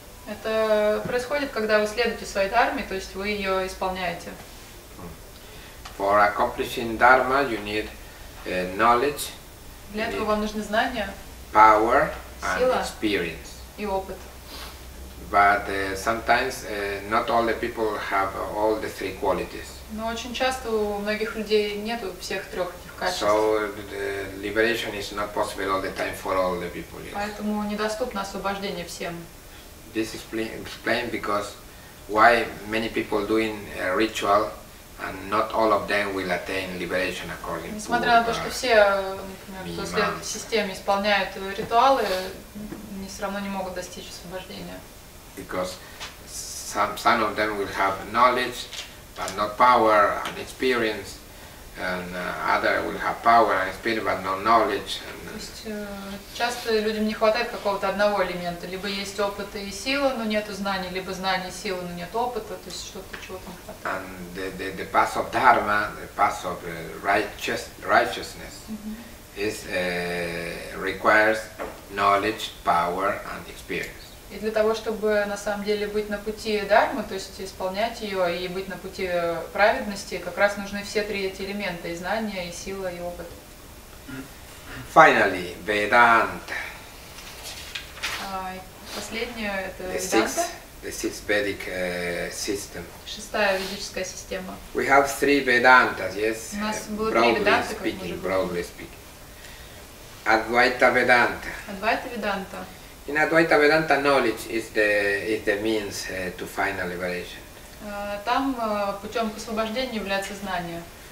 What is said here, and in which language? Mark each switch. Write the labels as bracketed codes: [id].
[ru] Это происходит, когда вы следуете своей дхарме, то есть вы ее исполняете. [en] For accomplishing dharma, you need knowledge. [ru] Для этого вам нужны знания. [en] Power and experience. [ru] И опыт. [en] But sometimes not all the people have all the three qualities. [ru] Но очень часто у многих людей нету всех трех этих качеств. [en] So the liberation is not possible all the time for all the people. Yes. [ru] Поэтому недоступно освобождение всем. [en] This is explained because why many people doing a ritual and not all of them will attain liberation according to. [ru] Несмотря на то, что все, например, в системе исполняют ритуалы, они все равно не могут достичь освобождения. [en] Because some of them will have knowledge, but not power and experience, and other will have power and experience, but no knowledge. [ru] Часто людям не хватает какого-то одного элемента. Либо есть опыт и сила, но нету знаний, либо знания и силы, но нет опыта. То есть что-то чего-то не хватает. [en] And the path of dharma, the path of righteousness, is requires knowledge, power and experience. [ru] И для того, чтобы на самом деле быть на пути дхармы, то есть исполнять ее и быть на пути праведности, как раз нужны все три эти элемента: и знания, и сила, и опыт. [en] Finally, Vedanta. [ru] Последнее это [en] the six Vedic system. [ru] Шестая ведическая система. [en] We have three Vedantas, yes. [ru] У нас было три Веданта, [en] speaking, broadly speaking. Advaita Vedanta. Advaita Vedanta. In Advaita Vedanta, knowledge is the means to final liberation. [ru] Там путем к освобождению является знание.